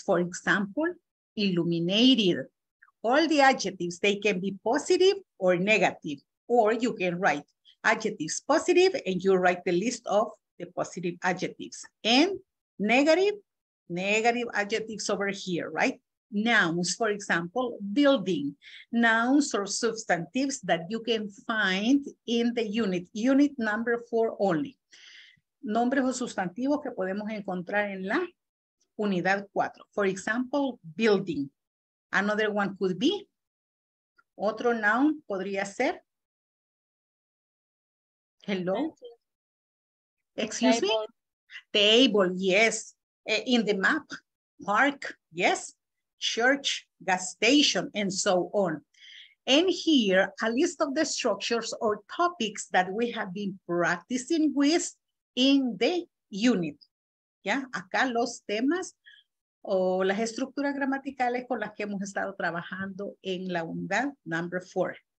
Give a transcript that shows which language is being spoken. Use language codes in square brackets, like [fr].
[en] For example, illuminated. All the adjectives, they can be positive or negative, or you can write adjectives positive and you write the list of the positive adjectives and negative adjectives over here, right? Nouns, for example, building, nouns or substantives that you can find in the unit, unit number 4 only. [es] Nombres o sustantivos que podemos encontrar en la unidad 4. [en] For example, building. Another one could be, [es] otro noun podría ser, [en] hello, excuse me, table, yes, in the map, park, yes, church, gas station, and so on. And here, a list of the structures or topics that we have been practicing with in the unit. [es] Yeah, acá los temas o las estructuras gramaticales con las que hemos estado trabajando en la unidad [en] number 4.